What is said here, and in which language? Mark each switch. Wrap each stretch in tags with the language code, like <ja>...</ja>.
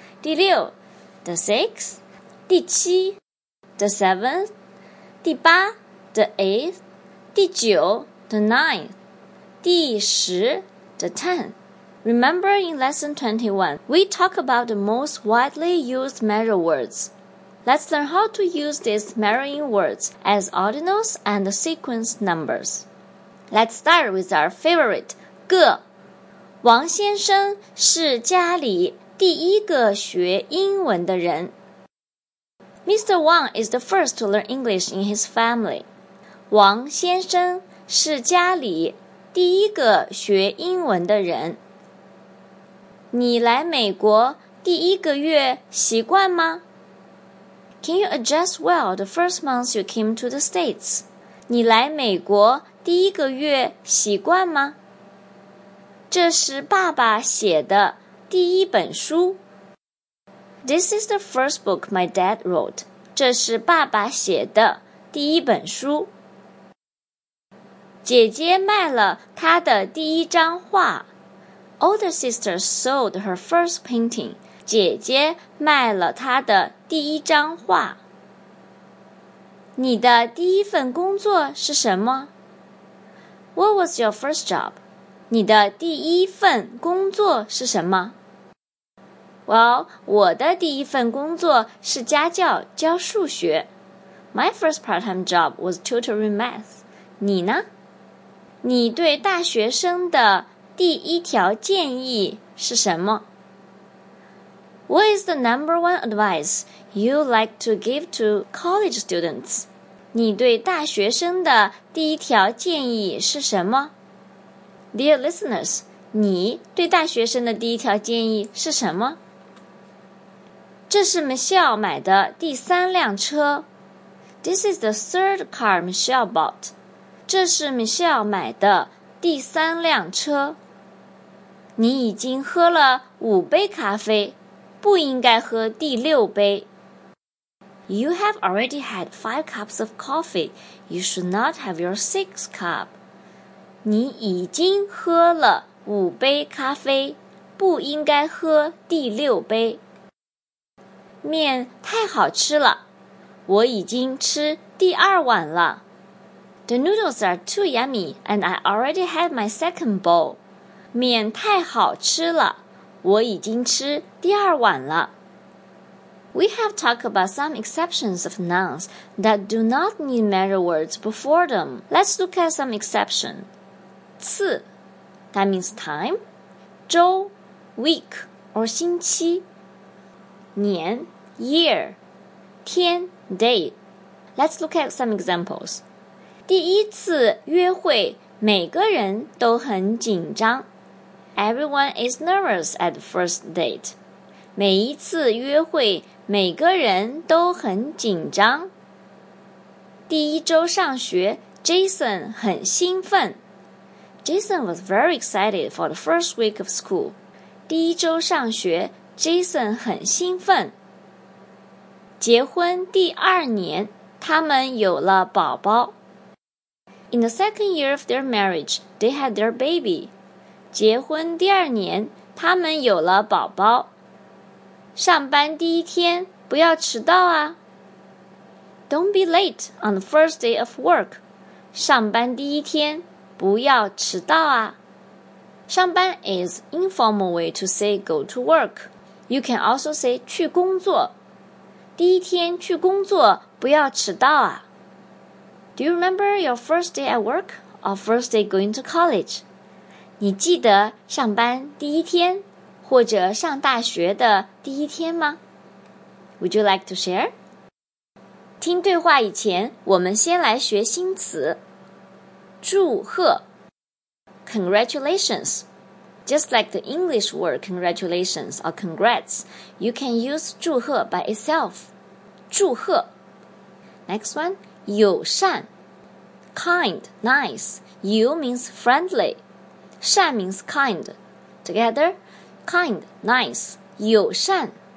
<en>第六,the sixth, 第七, the seventh, 第八, the eighth, 第九, the ninth, 第十, the tenth. Remember in lesson 21, we talk about the most widely used measure words. Let's learn how to use these measuring words as ordinals and sequence numbers. Let's start with our favorite, 个.</en> <zh>王先生是家里第一个学英文的人。</zh> <en>Mr. Wang is the first to learn English in his family.</en> <zh>王先生是家里第一个学英文的人。你来美国第一个月习惯吗?</zh> <en>Can you adjust well the first month you came to the States?</en> <zh>你来美国第一个月习惯吗? 这是爸爸写的。第一本书。</zh> <en>This is the first book my dad wrote.</en> <zh>这是爸爸写的第一本书。姐姐卖了她的第一张画。</zh> <en>Older sister sold her first painting.</en> <zh>姐姐卖了她的第一张画。你的第一份工作是什么?</zh> <en>What was your first job?</en> <zh>你的第一份工作是什么? Well, 我的第一份工作是家教，教数学。</zh> <en>My first part-time job was tutoring math.</en> <zh>你呢？你对大学生的第一条建议是什么</zh> <en>？What is the number one advice you like to give to college students?</en> <zh>你对大学生的第一条建议是什么？</zh> <en>Dear listeners,</en> <zh>你对大学生的第一条建议是什么？这是 Michelle 买的第三辆车。</zh> <en>This is the third car Michelle bought.</en> <zh>这是 Michelle 买的第三辆车。你已经喝了五杯咖啡，不应该喝第六杯。</zh> <en>You have already had 5 cups of coffee. You should not have your 6th cup.</en> <zh>你已经喝了五杯咖啡，不应该喝第六杯。面太好吃了，我已经吃第二碗了。</zh> <en>The noodles are too yummy, and I already had my second bowl.</en> <zh>面太好吃了，我已经吃第二碗了。</zh> <en>We have talked about some exceptions of nouns that do not need measure words before them. Let's look at some exception. 次, that means time. 周, week, or 星期。</en> <zh>年Year, 天,</zh> <en>day. Let's look at some examples.</en> <zh>第一次约会,每个人都很紧张。</zh> <en>Everyone is nervous at the first date.</en> <zh>每一次约会,每个人都很紧张。第一周上学, Jason 很兴奋。</zh> <en>Jason was very excited for the first week of school.</en> <zh>第一周上学, Jason 很兴奋。结婚第二年，他们有了宝宝。</zh> <en>In the second year of their marriage, they had their baby.</en> <zh>结婚第二年，他们有了宝宝。上班第一天，不要迟到啊。</zh> <en>Don't be late on the first day of work.</en> <zh>上班第一天，不要迟到啊。</zh> <en>上班 is an informal way to say go to work. You can also say 去工作。</en> <zh>第一天去工作不要迟到啊。</zh> <en>Do you remember your first day at work or first day going to college?</en> <zh>你记得上班第一天或者上大学的第一天吗?</zh> <en>Would you like to share?</en> <zh>听对话以前我们先来学新词。祝贺 Congratulations.</zh> <en>Just like the English word congratulations or congrats, you can use 祝贺 by itself. 祝贺 Next one. 友善 Kind, nice 友 means friendly 善 means kind Together Kind, nice 友善</en>